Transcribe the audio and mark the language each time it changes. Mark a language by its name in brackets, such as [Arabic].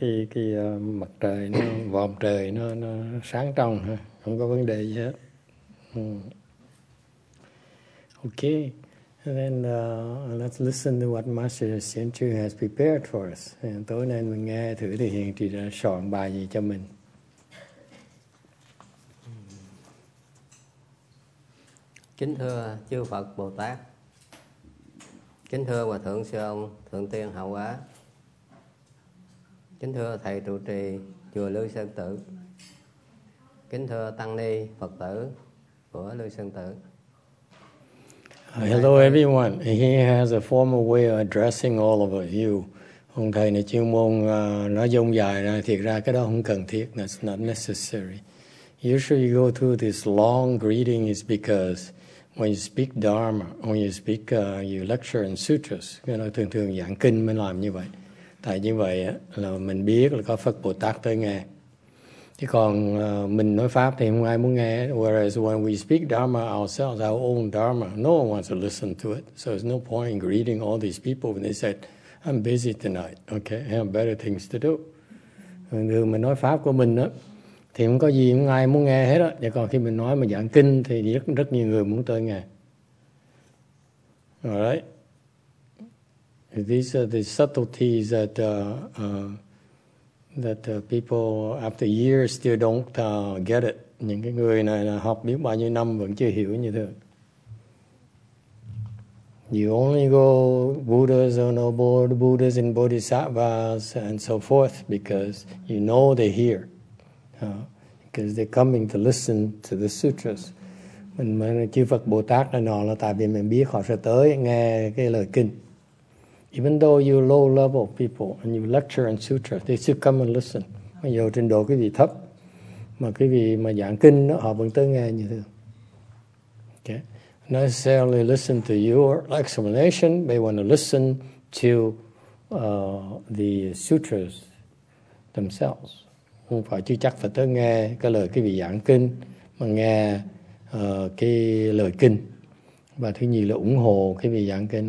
[Vietnamese] Cái mặt trời nó vòm trời nó sáng trong ha, không có vấn đề gì hết. [English] Okay, and then let's listen to what Master Xuyên Trụ has prepared for us. And [Vietnamese] tối nay mình nghe thử thì hiện trì đã soạn bài gì cho mình. Kính thưa chư Phật Bồ Tát, kính thưa hòa thượng sư ông thượng tiên hậu quả, kính thưa thầy trụ trì chùa Lưu Sơn Tự, kính thưa tăng ni Phật tử của Lưu Sơn Tự. [English] Hello everyone. He has a formal way of addressing all of you. [Vietnamese] Ông thầy này chuyên môn nói dông dài ra, thiệt ra cái đó không cần thiết. [English] That's not necessary. Usually you go through this long greeting is because when you speak Dharma, when you speak, you lecture in sutras. You know, [Vietnamese] thường thường giảng kinh mới làm như vậy. Tại như vậy là mình biết là có Phật Bồ Tát tới nghe. Chứ còn mình nói pháp thì không ai muốn nghe. [English] Whereas when we speak Dharma ourselves, our own Dharma, no one wants to listen to it. So there's no point in greeting all these people when they said, "I'm busy tonight. Okay, I have better things to do." [Vietnamese] Thường mình nói pháp của mình đó, thì không có gì không ai muốn nghe hết á. Chứ còn khi mình nói mà giảng kinh thì rất rất nhiều người muốn tới nghe. [English] Alright. These are the subtleties that people after years still don't get it. [Vietnamese] Những cái người này là học biết bao nhiêu năm vẫn chưa hiểu như thế. [English] You only go Buddhas or noble Buddhas and Bodhisattvas and so forth because you know they're here. Because they're coming to listen to the sutras. [Vietnamese] Mình chư Phật Bồ Tát này nọ là tại vì mình biết họ sẽ tới nghe cái lời kinh. [English] Even though you low level people and you lecture and sutra, they still come and listen. [Vietnamese] Mặc dù trình độ quý vị thấp, mà quý vị mà giảng kinh đó, họ vẫn tới nghe như thế. [English] Okay. Not necessarily listen to your explanation, they want to listen to the sutras themselves. [Vietnamese] Không phải chưa chắc phải tới nghe cái lời quý vị giảng kinh, mà nghe cái lời kinh. Và thứ nhì là ủng hộ cái vị giảng kinh.